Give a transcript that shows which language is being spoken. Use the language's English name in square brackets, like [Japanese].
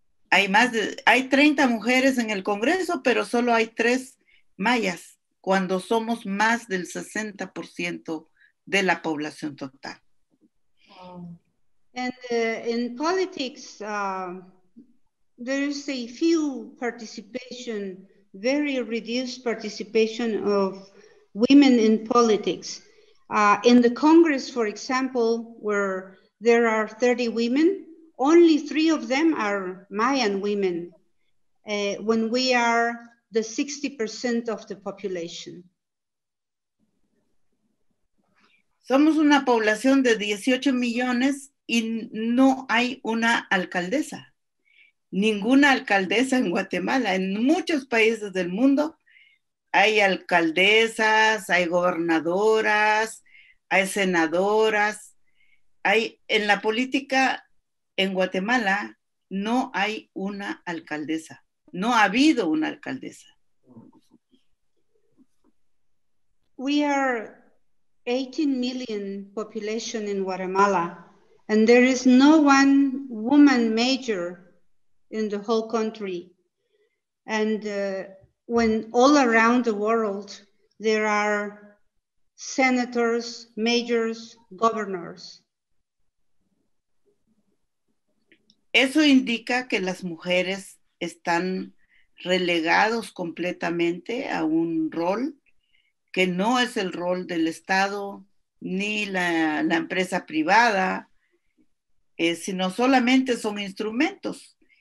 [Spanish] Hay 30 mujeres en el Congreso, pero solo hay 3 mayas, cuando somos más del 60% de la población total. [English] And in politics, there is a few participation, very reduced participation of women in politics. In the Congress, for example, where there are 30 women, only 3 of them are Mayan women, when we are the 60% of the population. [Spanish] Somos una población de 18 millones y no hay una alcaldesa. Ninguna alcaldesa en Guatemala. En muchos países del mundo hay alcaldesas, hay gobernadoras, hay senadoras. En la política en Guatemala no hay una alcaldesa. No ha habido una alcaldesa. [English] We are 18 million population in Guatemala, and there is no one woman mayor in the whole country. And when all around the world there are senators, mayors, governors. [Spanish] Eso indica que las mujeres están relegados completamente a un rol que no es el rol del Estado ni la empresa privada, sino solamente son instrumentos.